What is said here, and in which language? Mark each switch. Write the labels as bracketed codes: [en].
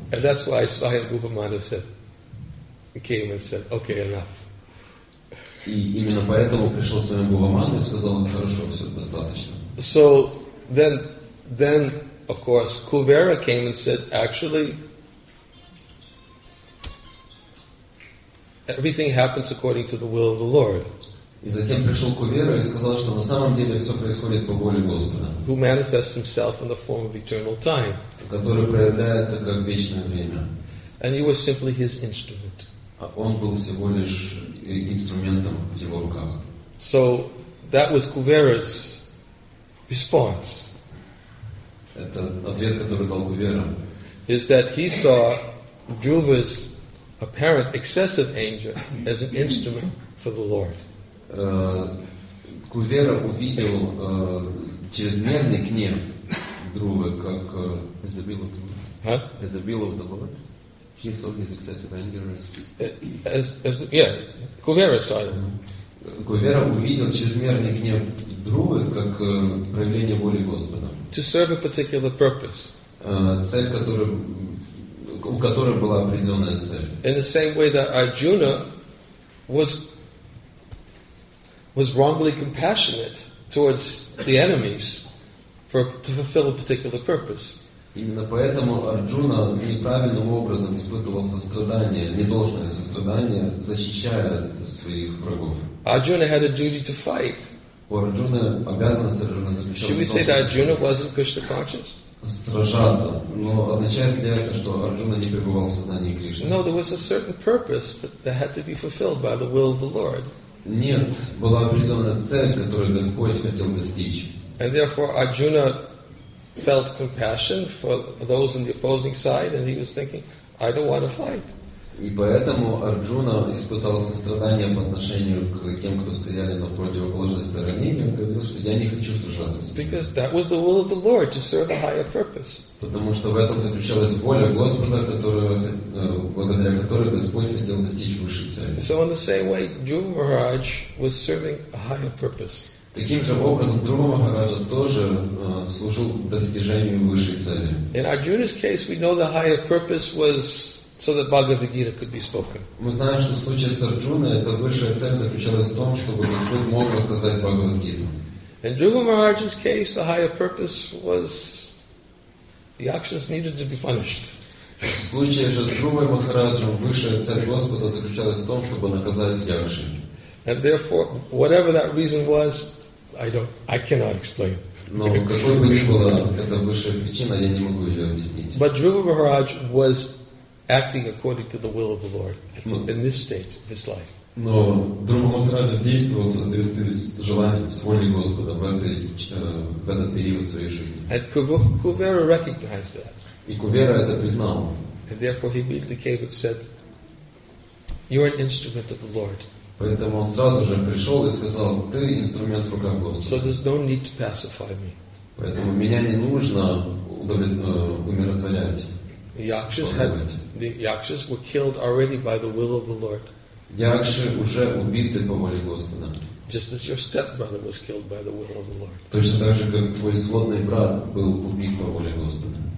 [en] And that's why Sahil Bhupamana came and said, okay, enough. [ru] И именно поэтому пришел с вами Бхагаван и сказал, хорошо, все достаточно. [en] So then of course Kuvera came and said, actually everything happens according to the will of the Lord. [ru] И затем пришел Кувера и сказал, что на самом деле все происходит по воле Господа. [en] Who manifests himself in the form of eternal time. [ru] Который проявляется как вечное время. [en] And you were simply his instrument. [ru] А он был всего лишь инструментом в его руках. [en] So that was Kuvera's response. [ru] Это ответ, который дал Кувера. [en] Is that he saw Dhruva's apparent excessive anger as an instrument for the Lord. [ru] Кувера увидел чрезмерный гнев Друвы как изобилие. [en] He saw his excessive anger [ru] Кувера увидел чрезмерный гнев Друвы как проявление воли Господа. [en] To serve a particular purpose. [ru] Цель, которая, у которой была определенная цель. [en] In the same way that Arjuna was wrongly compassionate towards the enemies to fulfill a particular purpose. [ru] Именно поэтому Арджуна неправильным образом испытывал сострадание, недолжное сострадание, защищая своих врагов. [en] Arjuna had a duty to fight. [ru] У Арджуны обязанность совершенно защищать. [en] Should we say that Arjuna wasn't Krishna conscious? [ru] Сражаться. Но означает ли это, что Арджуна не пребывал в сознании Кришны? [en] No, there was a certain purpose that had to be fulfilled by the will of the Lord. [ru] Нет, была определенная цель, которую Господь хотел достичь. [en] And therefore Arjuna felt compassion for those on the opposing side, and he was thinking, I don't want to fight. [ru] И поэтому Арджуна испытал сострадание по отношению к тем, кто стояли на противоположной стороне, и он говорил, что я не хочу сражаться с ними. [en] Because that was the will of the Lord, to serve a higher purpose. [ru] Потому что в этом заключалась воля Господа, благодаря которой Господь хотел достичь высшей цели. [en] So in the same way, Dhruva Maharaj was serving a higher purpose. [ru] Таким же образом, Дхрува Махараджа тоже служил достижению высшей цели. [en] In Arjuna's case, we know the higher purpose was so that Bhagavad Gita could be spoken. [ru] Мы знаем, что в случае с Арджуной эта высшая цель заключалась в том, чтобы Господь мог рассказать Бхагавад Гиту. [en] In Dhruva Maharaj's case, the higher purpose was the Yakshas needed to be punished. [ru] В случае же с Дхрувой Махараджем высшая цель Господа заключалась в том, чтобы наказать Якши. [en] And therefore, whatever that reason was, I cannot explain. [ru] Но какой бы ни была эта высшая причина, я не могу ее объяснить. [en] But Dhruva Maharaj was acting according to the will of the Lord in this stage of his life. [ru] Но Дхрува Махараджа действовал в соответствии с желанием, с волей Господа в этот период своей жизни. [en] And Kuvera recognized that. [ru] И Кувера это признал. [en] And therefore he immediately came and said, "You're an instrument of the Lord." [ru] Поэтому он сразу же пришел и сказал, ты инструмент в руках Господа. [en] So there's no need to pacify me. [ru] Поэтому меня не нужно умиротворять. [en] The Yakshas were killed already by the will of the Lord. [ru] Якши уже убиты по воле Господа. [en] Just as your stepbrother was killed by the will of the Lord. [ru] Точно так же, как твой сводный брат был убит по воле Господа.